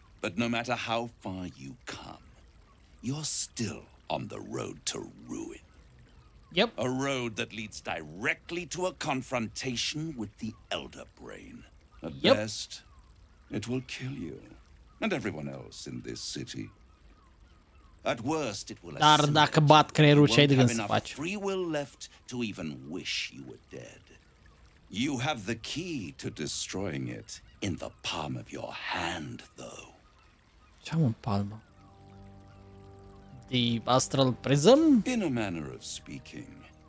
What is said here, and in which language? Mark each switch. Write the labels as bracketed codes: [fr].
[en] But no matter how far you come, you're still on the road to ruin. Yep. A road that leads directly to a confrontation with the Elder Brain. At best, it will kill you and everyone else in this city. At worst, it will [ro] Dar dacă bat creierul, ce ai de gând să faci? [en] Free will left to even wish you were dead. You have the key to destroying it in the palm of your hand, though. [ro] Ce am în palmă? [en] The astral prism? In a manner of speaking.